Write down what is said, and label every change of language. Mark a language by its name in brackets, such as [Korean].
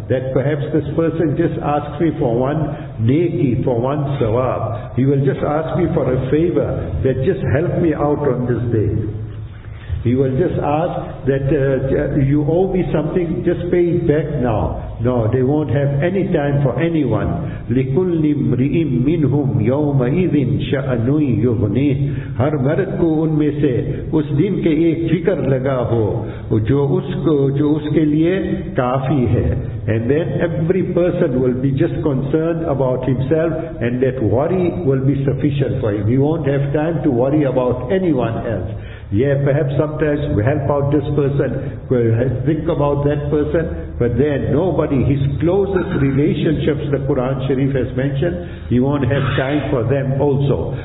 [English] That perhaps this person just asks me for one neki, for one sawab. He will just ask me for a favor, that just help me out on this day. He will just ask that you owe me something, just pay it back now. No, they won't have any time for anyone. [Arabic] لِكُلِّ مْرِئِمْ مِنْهُمْ يَوْمَ اِذٍ شَأَنُوِ يُغْنِهِ [Urdu] ہر مرد کو ان میں سے اس دن کے ایک فکر لگا ہو جو اس کے لیے کافی ہے. [English] And then every person will be just concerned about himself, and that worry will be sufficient for him. He won't have time to worry about anyone else. Yeah, perhaps sometimes we help out this person, we'll think about that person, but then nobody, his closest relationships, the Quran Sharif has mentioned, he won't have time for them also.